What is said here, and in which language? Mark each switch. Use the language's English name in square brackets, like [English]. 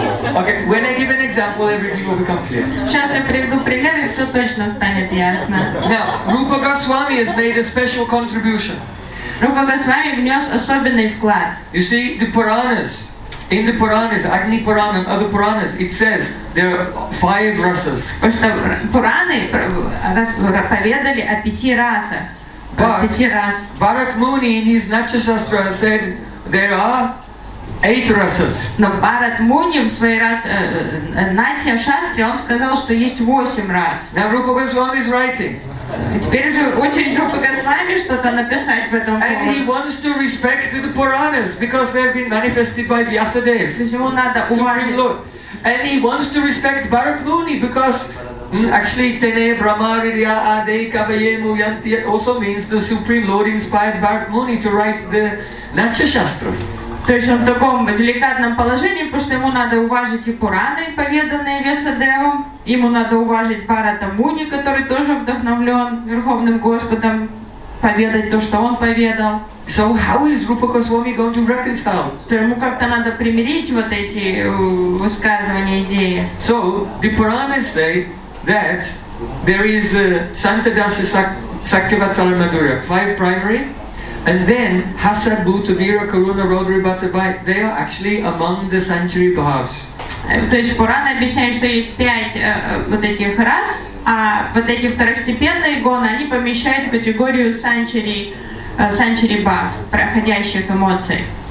[English] Okay, when I give an example, everything will become clear. [Russian] Сейчас я приведу пример, и все точно станет ясно. [English] Now, Rupa Goswami has made a special contribution. [Russian] Rupa Goswami внес особенный вклад. [English] You see, the Puranas, in the Puranas, Agni Purana and other Puranas, it says there are 5 rasas. [Russian] Потому что Пураны поведали о 5 расах. [English] But Bharat Muni in his Natchashastra said there are 8 rasas. [Russian] Но Bharat Muni в своей Натчашастре он сказал, что есть 8 рас. [English] Now Rupa Goswami is writing. [Russian] Теперь же очень Rupa Goswami что-то написать в этом. [English] And he wants to respect the Puranas because they have been manifested by Vyasadev. [Russian] Ему надо уважить [English] Lord. And he wants to respect Bharat Muni because actually, Tene Brahmariya Ade Kavaye Muyanti also means the Supreme Lord inspired Bharat Muni to write the Natchashastra. [Russian] То есть он в таком деликатном положении, потому что ему надо уважить и Пураны, поведанные Вьясадевом, ему надо уважить Бхарата Муни, который тоже вдохновлен Верховным Господом, поведать то, что он поведал. [English] So how is Rupa Goswami going to reconcile? [Russian] То ему как-то надо примирить вот эти высказывания, идеи. [English] So the Puranas say that there is Santa Dasa Sakyavatsala Madhurya, 5 primary, and then Hasad Bhuta Vira Karuna Rodri Bhattabai, they are actually among the Sanchari Bhavs. [Russian] То есть Пурана объясняет, что есть 5 вот этих рас, а вот эти второстепенные гоны, они помещают в категорию Sanchari Bhav, проходящих эмоций.